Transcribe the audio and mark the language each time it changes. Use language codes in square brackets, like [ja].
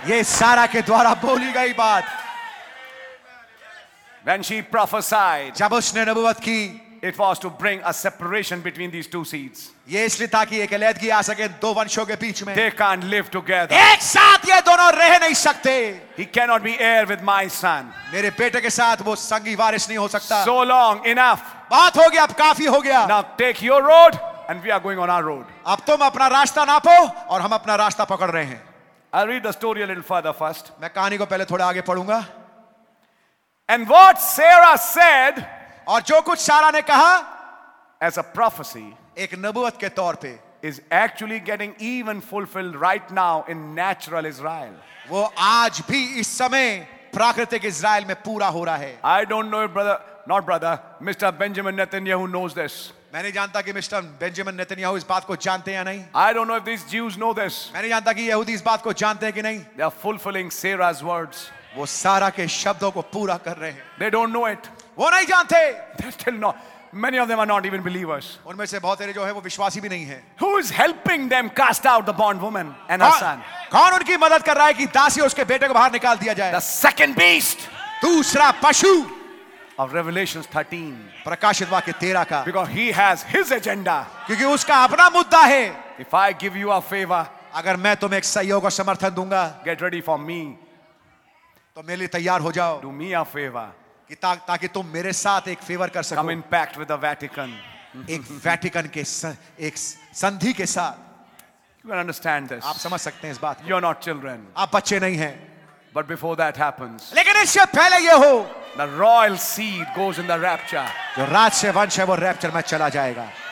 [hi] ये सारा के द्वारा बोली गई बात. [en] When she prophesied, [hi] जब उसने नबूवत की, [en] it was to bring a separation between these two seeds. [hi] ये इसलिए ताकि एक अलगी आ सके दो वंशों के बीच में. [en] They can't live together. [hi] एक साथ ये दोनों रह नहीं सकते. [en] He cannot be heir with my son. [hi] मेरे बेटे के साथ वो संगी वारिस नहीं हो सकता. [en] So long, enough. [hi] बात हो गया, अब काफी हो गया. [en] Now take your road. and we are going on our road. [hi] अब तुम अपना रास्ता नापो और हम अपना रास्ता पकड़ रहे हैं. [en] I'll read the story a little further first. [hi] मैं कहानी को पहले थोड़ा आगे पढ़ूंगा. [en] And what Sarah said, [hi] और जो कुछ सारा ने कहा, [en] as a prophecy, [hi] एक नबुवत के तौर पे, [en] is actually getting even fulfilled right now in natural Israel. [hi] वो आज भी इस समय प्राकृतिक इज़राइल में पूरा हो रहा है. [en] I don't know if brother, not brother, Mr. Benjamin Netanyahu knows this. [hi] मैं नहीं जानता कि मिस्टर बेंजामिन नेतन्याहू इस बात को जानते हैं या नहीं. [en] I don't know if these Jews know this. [hi] मैं नहीं जानता कि यहूदी इस बात को जानते हैं कि नहीं. [en] They are fulfilling Sarah's words. [hi] वो सारा के शब्दों को पूरा कर रहे हैं. [en] They don't know it. [hi] वो नहीं जानते. [en] They're still not. Many of them are not even believers. [hi] उनमें से बहुत सारे जो हैं वो विश्वासी भी नहीं हैं. [en] Who is helping them cast out the bond woman and her son? [hi] कौन उनकी मदद कर रहा है कि दासी उसके बेटे को बाहर निकाल दिया जाए? [en] The second beast. [hi] दूसरा पशु. [en] Of Revelation 13. [hi] प्रकाशित वाक्य 13 का. [en] Because he has his agenda. [hi] क्योंकि उसका अपना मुद्दा है. [en] If I give you a favor. [hi] अगर मैं तुम्हें एक सहयोग और समर्थन दूंगा. [en] Get ready for me. [hi] तो मेरे लिए तैयार हो जाओ. [en] Do me a favor. [hi] ताकि तुम मेरे साथ एक फेवर कर सको. [en] Come in pact with the Vatican. [hi] एक वैटिकन के एक संधि के साथ. [en] You can understand this. [hi] आप समझ सकते हैं इस बात को. [en] You're not children. [hi] आप बच्चे नहीं हैं. [en] But before that happens. [hi] लेकिन इससे पहले ये हो. [en] The royal seed goes in the rapture. [hi] जो राज्य वंश है वो रैप्चर में चला जाएगा.